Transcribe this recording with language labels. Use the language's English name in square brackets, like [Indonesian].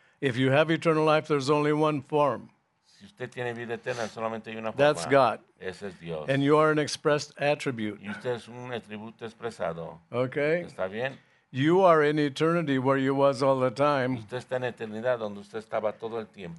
[English] If you have eternal life, there's only one form. [Spanish] Si usted tiene vida eterna, solamente hay una forma. [English] That's God. [Spanish] Ese es Dios. [English] And you are an expressed attribute. [Spanish] Y usted es un atributo expresado. [English] Okay. [Spanish] ¿Está bien? [English] You are in eternity where you was all the time. [Spanish] Usted está en eternidad donde usted estaba todo el tiempo.